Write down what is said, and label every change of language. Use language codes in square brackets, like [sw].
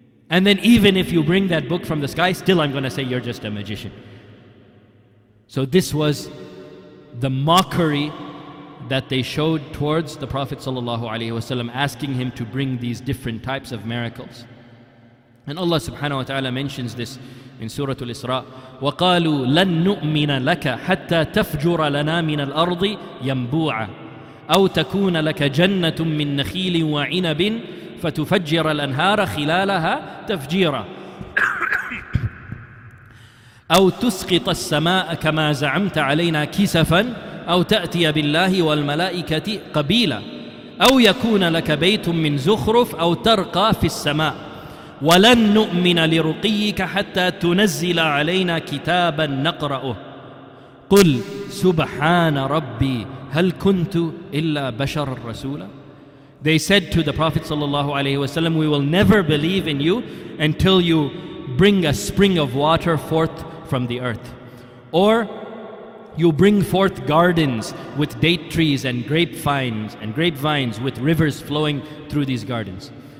[en] And then even if you bring that book from the sky, still I'm going to say you're just a magician. So this was the mockery that they showed towards the Prophet sallallahu alaihi wasallam, asking him to bring these different types of miracles. And Allah subhanahu wa ta'ala mentions this in Surah Al-Isra, [ar] وَقَالُوا لَن نُؤْمِنَ لَكَ حَتَّى تَفْجُرَ لَنَا مِنَ الْأَرْضِ يَنْبُوعًا أَوْ تَكُونَ لَكَ جَنَّةٌ مِّن نَخِيلٍ وَعِنَبٍ فَتُفَجِّرَ الْأَنْهَارَ خِلَالَهَا تَفْجِيرًا أَوْ تُسْقِطَ السَّمَاءَ كَمَا زَعَمْتَ عَلَيْنَا كِسَفًا أَوْ تَأْتِيَ بِاللَّهِ وَالْمَلَائِكَةِ قَبِيلًا أَوْ يَكُونَ لَكَ بَيْتٌ مِّن زُخْرُفٍ أَوْ تَرْقَى فِي السَّمَاءِ وَلَن نُؤْمِنَ لِرُقِيِّكَ حَتَّى تُنَزِّلَ عَلَيْنَا كِتَابًا نَقْرَأُهُ قُلْ سُبْحَانَ رَبِّي هَلْ كُنْتُ إِلَّا بَشَرًا رَسُولًا. [en] They said to the Prophet sallallahu alaihi wasallam, we will never believe in you until you bring a spring of water forth from the earth. Or you'll bring forth gardens with date trees and grapevines with rivers flowing through these gardens.